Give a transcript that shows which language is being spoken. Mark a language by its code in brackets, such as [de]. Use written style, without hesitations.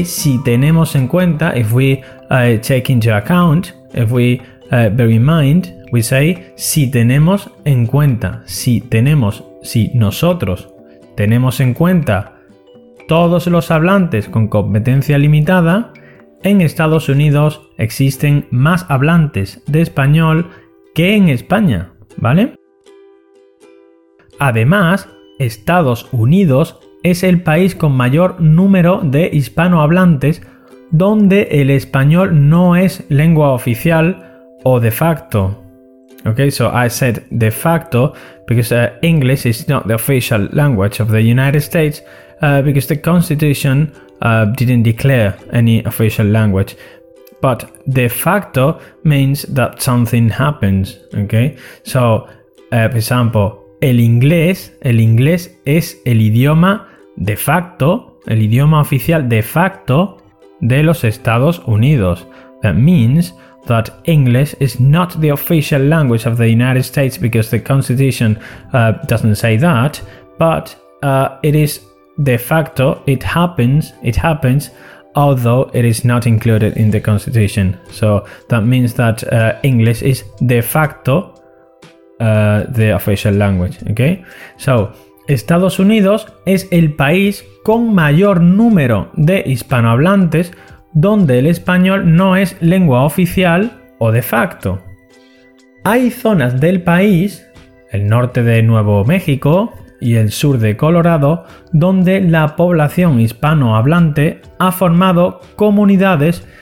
[es] Si tenemos en cuenta, si nosotros tenemos en cuenta todos los hablantes con competencia limitada, en Estados Unidos existen más hablantes de español que en España, ¿vale? Además, Estados Unidos es el país con mayor número de hispanohablantes donde el español no es lengua oficial o de facto. [en] Okay, so I said de facto because English is not the official language of the United States. Because the Constitution didn't declare any official language. But de facto means that something happens, okay? So, for example, [es] el inglés es el idioma de facto, el idioma oficial de facto de los Estados Unidos. [en] That means that English is not the official language of the United States because the Constitution doesn't say that, but it is de facto, it happens, although it is not included in the Constitution. So that means that English is de facto the official language, okay? [es] So, Estados Unidos es el país con mayor número de hispanohablantes donde el español no es lengua oficial o de facto. Hay zonas del país, el norte de Nuevo México y el sur de Colorado, donde la población hispanohablante ha formado comunidades